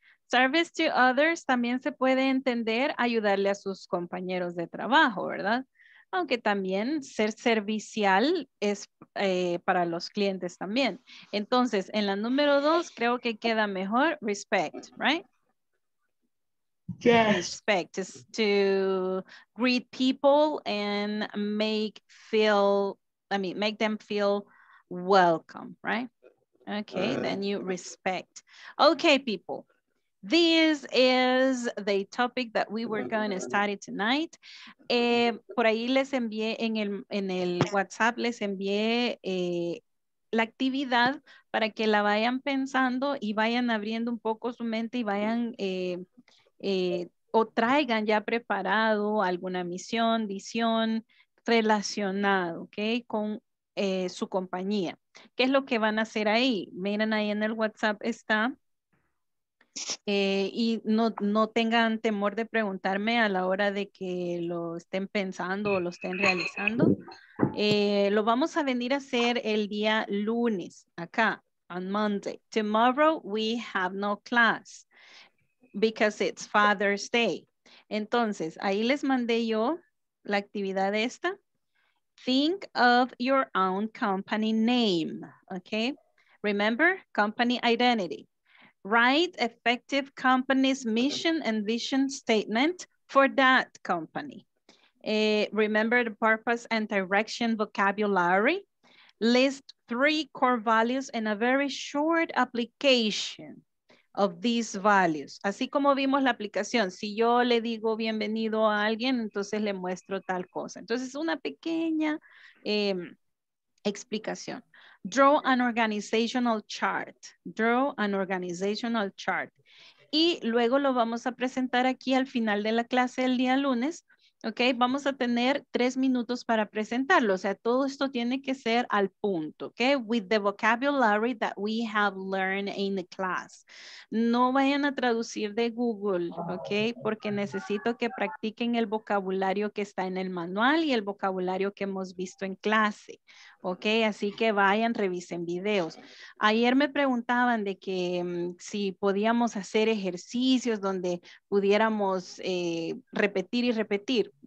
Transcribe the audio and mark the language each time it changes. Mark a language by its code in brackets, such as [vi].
[en] Service to others [es] también se puede entender ayudarle a sus compañeros de trabajo, ¿verdad? Aunque también ser servicial es para los clientes también. Entonces, en la número dos, creo que queda mejor respect, right? [en] Yes. Respect is to greet people and make them feel welcome, right? Okay, then you respect. Okay, people. This is the topic that we were going to study tonight. [es] Por ahí les envié en el WhatsApp, les envié la actividad para que la vayan pensando y vayan abriendo un poco su mente y vayan o traigan ya preparado alguna misión, visión relacionado, okay, con su compañía. ¿Qué es lo que van a hacer ahí? Miren ahí en el WhatsApp está. Y no tengan temor de preguntarme a la hora de que lo estén pensando o lo estén realizando. Lo vamos a venir a hacer el día lunes, acá, [en] on Monday. Tomorrow we have no class because it's Father's Day. [es] Entonces, ahí les mandé yo la actividad esta. [en] Think of your own company name, okay? Remember, company identity. Write effective company's mission and vision statement for that company. Remember the purpose and direction vocabulary. List three core values in a very short application of these values. [es] Así como vimos la aplicación, si yo le digo bienvenido a alguien, entonces le muestro tal cosa. Entonces, una pequeña explicación. [en] Draw an organizational chart. Draw an organizational chart. [es] Y luego lo vamos a presentar aquí al final de la clase el día lunes. Ok, vamos a tener 3 minutos para presentarlo. O sea, todo esto tiene que ser al punto. [en] Ok, with the vocabulary that we have learned in the class. [es] No vayan a traducir de Google, ok, porque necesito que practiquen el vocabulario que está en el manual y el vocabulario que hemos visto en clase. Ok, así que vayan, revisen videos. Ayer me preguntaban de que si podíamos hacer ejercicios donde pudiéramos repetir y repetir.